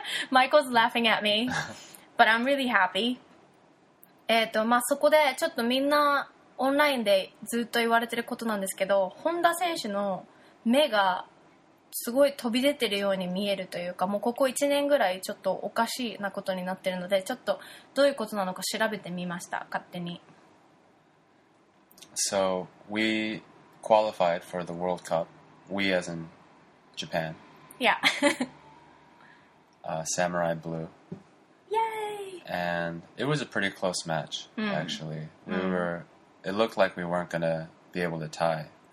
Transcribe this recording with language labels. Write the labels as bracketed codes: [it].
[en] Michael's laughing at me, but I'm really happy. [ja] まあ、そこでちょっとみんなオンラインでずっと言われてることなんですけど、本田選手の目がすごい飛び出てるように見えるというか、もうここ1年ぐらいちょっとおかしなことになってるので、ちょっとどういうことなのか調べてみました、勝手に。 [en] So we qualified for the World Cup. We as in Japan. Yeah. Samurai Blue. Yay! And it was a pretty close match, actually. It looked like we weren't going to be able to tie.